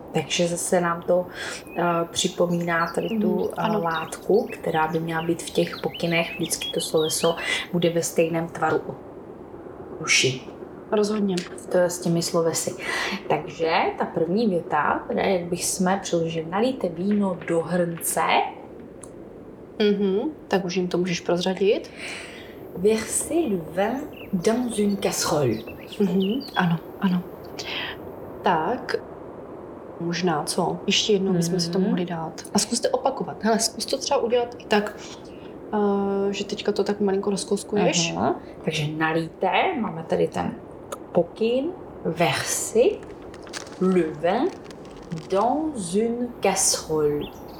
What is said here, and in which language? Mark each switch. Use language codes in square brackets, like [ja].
[cs] Takže zase nám to připomíná tady tu látku, která by měla být v těch pokynech, vždycky to sloveso bude ve stejném tvaru uši. Rozhodně. To je s těmi slovesy. Takže ta první věta, teda jak bychom přiložili, nalijte víno do hrnce. Mm-hmm. Tak už jim to můžeš prozradit. [fr] Versez le vin dans une casserole. [cs] Mm-hmm. Ano, ano. Tak... Možná, co? Ještě jednou bychom si to mohli dát. A zkuste opakovat. Hele, zkus to třeba udělat i tak, že teďka to tak malinko rozkouskuješ. Aha. Takže nalijte, máme tady ten pokyn. [fr] Versez le vin dans une casserole.